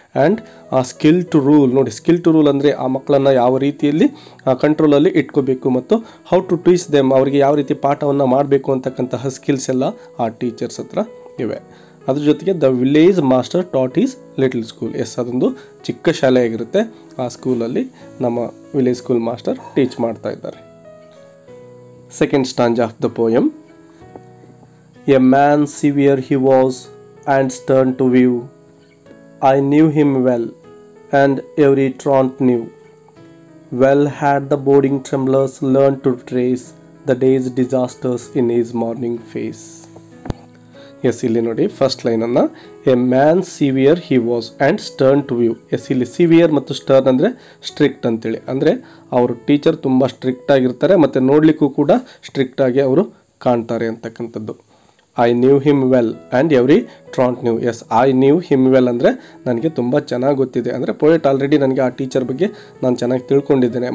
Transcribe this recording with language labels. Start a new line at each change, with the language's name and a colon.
Kannada: And ಆ skill to rule, ನೋಡಿ skill to rule ಅಂದರೆ ಆ ಮಕ್ಕಳನ್ನು ಯಾವ ರೀತಿಯಲ್ಲಿ ಕಂಟ್ರೋಲಲ್ಲಿ ಇಟ್ಕೋಬೇಕು ಮತ್ತು
English: how to teach them,
Kannada: ಅವರಿಗೆ ಯಾವ ರೀತಿ ಪಾಠವನ್ನು ಮಾಡಬೇಕು ಅಂತಕ್ಕಂತಹ ಸ್ಕಿಲ್ಸ್ ಎಲ್ಲ ಆ ಟೀಚರ್ಸ್ ಹತ್ರ ಇವೆ. ಅದ್ರ ಜೊತೆಗೆ
English: The village master taught is little school.
Kannada: S, ಅದೊಂದು ಚಿಕ್ಕ ಶಾಲೆಯಾಗಿರುತ್ತೆ, ಆ ಸ್ಕೂಲಲ್ಲಿ ನಮ್ಮ ವಿಲೇಜ್ ಸ್ಕೂಲ್ ಮಾಸ್ಟರ್ ಟೀಚ್ ಮಾಡ್ತಾ ಇದ್ದಾರೆ.
English: Second stanza of the poem. A man severe he was and stern to view. I knew him well and every truant knew. Well had the boding tremblers learned to trace the day's disasters in his morning face. Yes,
Kannada: ಇಲ್ಲಿ ನೋಡಿ first line ಅನ್ನ.
English: A man severe he was and stern to view.
Kannada: S, ಇಲ್ಲಿ severe ಮತ್ತು stern ಅಂದರೆ strict ಅಂತೇಳಿ, ಅಂದರೆ ಅವರು teacher ತುಂಬ ಸ್ಟ್ರಿಕ್ಟ್ ಆಗಿರ್ತಾರೆ ಮತ್ತು ನೋಡಲಿಕ್ಕೂ ಕೂಡ ಸ್ಟ್ರಿಕ್ಟಾಗಿ ಅವರು ಕಾಣ್ತಾರೆ ಅಂತಕ್ಕಂಥದ್ದು.
English: I knew him well and every truant knew.
Kannada: S,
English: I knew him well
Kannada: ಅಂದರೆ ನನಗೆ ತುಂಬ ಚೆನ್ನಾಗಿ ಗೊತ್ತಿದೆ, ಅಂದರೆ ಪೋಯೆಟ್ ಆಲ್ರೆಡಿ ನನಗೆ ಆ ಟೀಚರ್ ಬಗ್ಗೆ ನಾನು ಚೆನ್ನಾಗಿ ತಿಳ್ಕೊಂಡಿದ್ದೇನೆ.